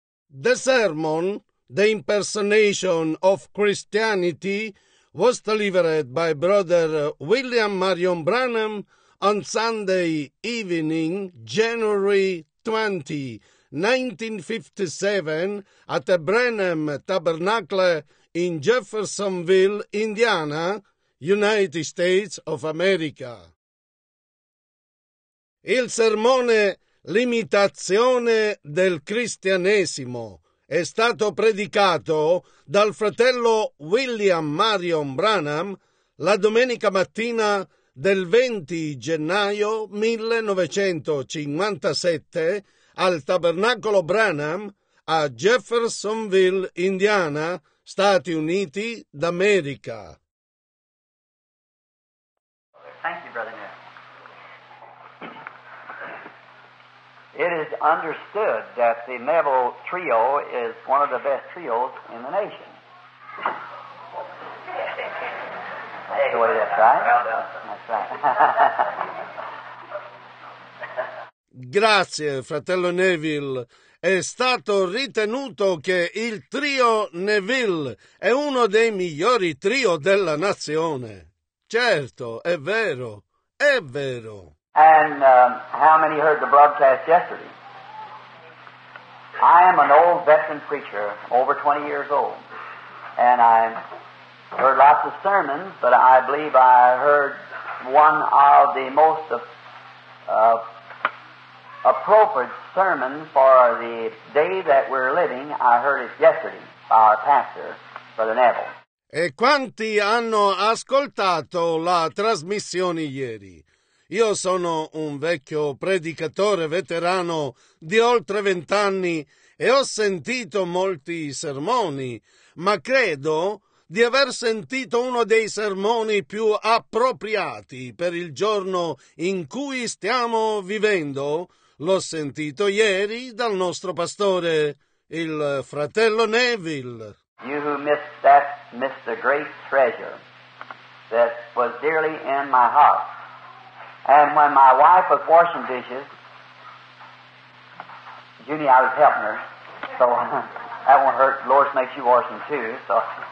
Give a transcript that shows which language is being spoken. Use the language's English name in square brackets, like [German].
[English] The sermon, the impersonation of Christianity, was delivered by Brother William Marion Branham on Sunday evening, January 20, 1957, at the Branham Tabernacle in Jeffersonville, Indiana, United States of America. [Italian] Il sermone L'imitazione del cristianesimo è stato predicato dal fratello William Marion Branham la domenica mattina del 20 gennaio 1957 al Tabernacolo Branham a Jeffersonville, Indiana, Stati Uniti d'America. [English] Thank you, brother. It is understood that the Neville Trio is one of the best trios in the nation. Anyway, that's right. That's right. [Italian] Grazie, fratello Neville. È stato ritenuto che il trio Neville è uno dei migliori trio della nazione. Certo, è vero. È vero. [English] And how many heard the broadcast yesterday? I am an old veteran preacher, over 20 years old, and I heard lots of sermons, but I believe I heard one of the most appropriate sermons for the day that we're living. I heard it yesterday by our pastor, Brother Neville. [Italian] E quanti hanno ascoltato la trasmissione ieri? Io sono un vecchio predicatore veterano di oltre 20 anni e ho sentito molti sermoni, ma credo di aver sentito uno dei sermoni più appropriati per il giorno in cui stiamo vivendo. L'ho sentito ieri dal nostro pastore, il fratello Neville. [English] You who missed that, missed the great treasure that was dearly in my heart. And when my wife was washing dishes, Junie, I was helping her, so that won't hurt. The Lord makes you wash them too, so.